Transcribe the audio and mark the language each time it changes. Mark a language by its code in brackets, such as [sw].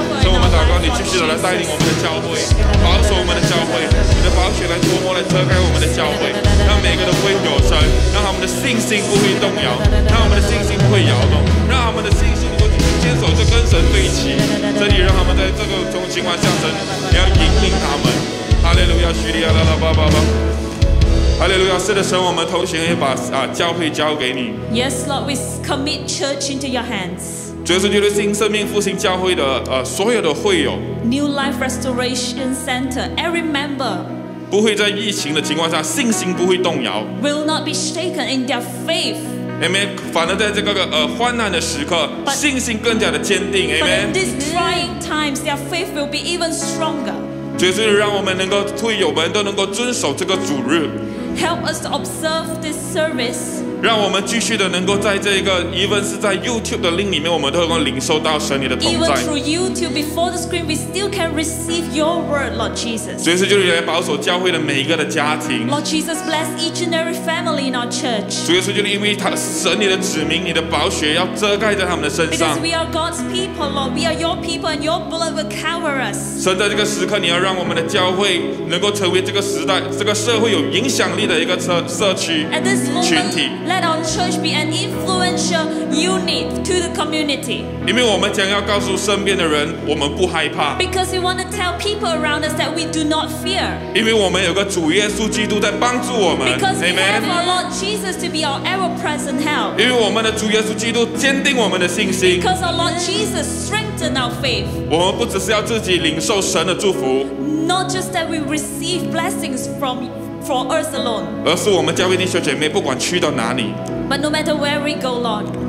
[zh] 是我们祷告，你继续的来带领我们的教会，保守我们的教会，你的宝血来涂抹、来遮盖我们的教会，让每个都会有神，让我们的信心不会动摇，让我们的信心不会摇动，让我们的信心。牵手就跟神对齐，这里让他们在这个中情况下神，你要引领他们。哈利路亚，叙利亚啦啦叭叭叭。哈利路亚，是的，神，我们同行也把教会交给你。 [en] Yes, Lord, we commit church into your hands. [zh] 主是基督新生命复兴教会的所有的会友。 [en] New Life Restoration Center, every member. [zh] 不会在疫情的情况下信心不会动摇。 [en] Will not be shaken in their faith. Amen. [zh] 反而在这个患难的时刻， [en] but, [zh] 信心更加的坚定。Amen. [en] But in these trying times, their faith will be even stronger. [zh] 就是让我们能够会友们都能够遵守这个主日。 [en] Help us to observe this service. [zh] 让我们继续的能够在这个 ，even 是在 YouTube 的 link 里面，我们都能够领受到神你的同在。 [en] Even through YouTube, before the screen, we still can receive Your word, Lord Jesus. [zh] 所以说，就是来保守教会的每一个的家庭。 [en] Lord Jesus, bless each and every family in our church. [zh] 所以说，就是因为他神你的子民，你的宝血要遮盖在他们的身上。 [en] Because we are God's people, Lord, we are Your people, and Your blood will cover us. [zh] 神在这个时刻，你要让我们的教会能够成为这个时代、这个社会有影响力。的一个社区 [en] At this moment, [zh] 群体 [en] ，Let our church be an influential unit to the community. [zh] 因为我们将要告诉身边的人，我们不害怕。 [en] Because we want to tell people around us that we do not fear. [zh] 因为我们有个主耶稣基督在帮助我们。 [en] Because Amen. we have our Lord Jesus to be our ever-present help. [zh] 因为我们的主耶稣基督坚定我们的信心。 [en] Because our Lord Jesus strengthens our faith. [zh] 我们不只是要自己领受神的祝福。 [en] Not just that we receive blessings from. For us alone. [zh] 而是我们教会弟兄姐妹，不管去到哪里 [en] ，But no matter where we go, Lord,